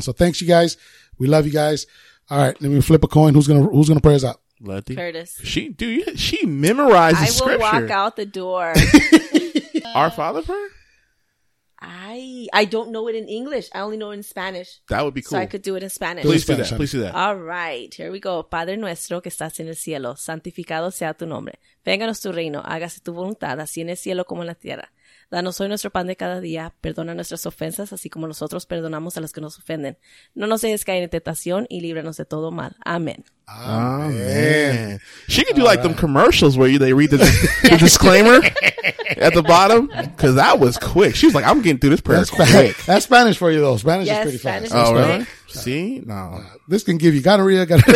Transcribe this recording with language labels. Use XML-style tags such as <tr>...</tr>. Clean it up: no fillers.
<en>So thanks, you guys. We love you guys. All right. Let me flip a coin. Who's going to pray us out? Letty. Curtis. She memorizes scripture. I will walk out the door. Our Father prayer? I don't know it in English. I only know it in Spanish. That would be cool. So I could do it in Spanish. Please do that. All right. Here we go.</en> <es>Padre nuestro que estás en el cielo, santificado sea tu nombre. Vénganos tu reino. Hágase tu voluntad, así en el cielo como en la tierra. Danos hoy nuestro pan de cada día. Perdona nuestras ofensas, así como nosotros perdonamos a los que nos ofenden. No nos dejes caer en tentación y líbranos de todo mal. Amén.</es> <en>Amen. She could do all like right. Them commercials where they read the disclaimer at the bottom, because that was quick. She was like, I'm getting through this prayer quick. That's Spanish for you, though. Spanish is pretty fast. Spanish is quick. Really? See? No. This can give you gonorrhea.</en>